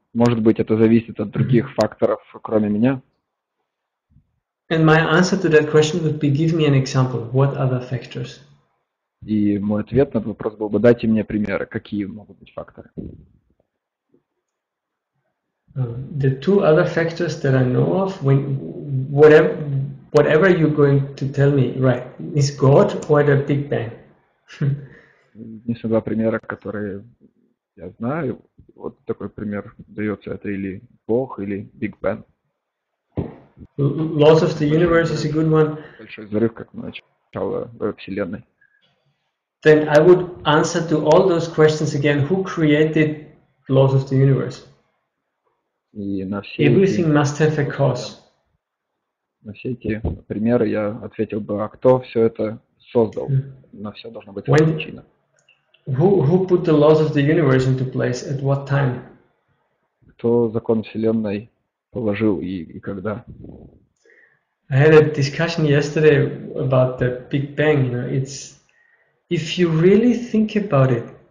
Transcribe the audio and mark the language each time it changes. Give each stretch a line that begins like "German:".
Russian: Может быть, это зависит от других факторов, кроме меня?
English: And my answer to that question would be, give me an example. What other factors?
Russian: И мой ответ на этот вопрос был бы, дайте мне примеры, какие могут быть факторы.
English: The two other factors that I know of, when whatever you're going to tell me, right, is God or the Big Bang?
Russian: Есть два примера, которые я знаю. Вот такой пример дается, это или Бог, или Big Bang.
English: Laws of the universe is a good one.
Russian: Большой взрыв, как начало вселенной.
English: Then I would answer to all those questions again. Who created laws of the universe? Everything must have a cause.
Russian: На все эти примеры я ответил бы, а кто все это создал? На все должна быть причина.
English: Who put the laws of the universe into place? At what time?
Russian: Кто закон вселенной положил и когда?
English: I had a discussion yesterday about the Big Bang. You know, it's if you really think about it,